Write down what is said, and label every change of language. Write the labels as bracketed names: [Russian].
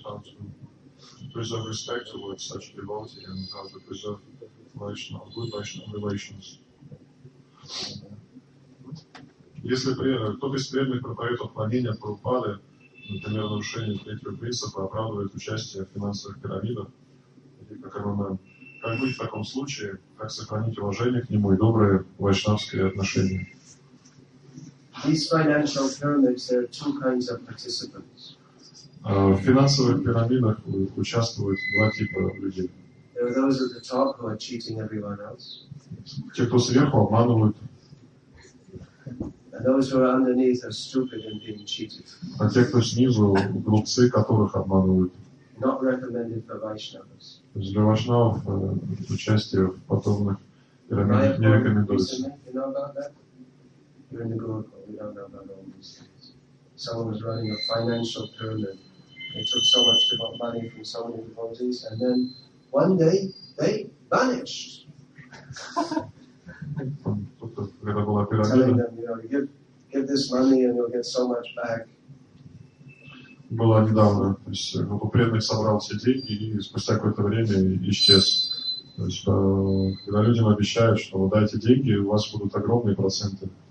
[English] How to preserve respect towards such devotee and how to preserve good relations. [Russian] Если кто-то из преданных проповедует отклонение от Прабхупады, например, нарушение третьего принципа, оправдывает участие в финансовых пирамидах, как оно. Как быть в таком случае, как сохранить уважение к нему и добрые вайшнавские отношения? [English] These financial pyramids, there are two kinds of participants. [Russian] В финансовых пирамидах участвуют два типа людей. [English] There are those at the top who are cheating everyone else. [Russian] Те, кто сверху, обманывают. [English] And those who are underneath are stupid and being cheated. [Russian] А те, кто снизу, глупцы, которых обманывают. [English] Not recommended for Vaishnavas. [Russian] То есть для вайшнавов участие в подобных пирамидах не рекомендуется. Это была пирамида. [English] Give this money and you'll get so much back. [Russian] была недавно, то есть вот у преданных собрал все деньги и спустя какое-то время исчез. То есть когда людям обещают, что вот дайте деньги, у вас будут огромные проценты.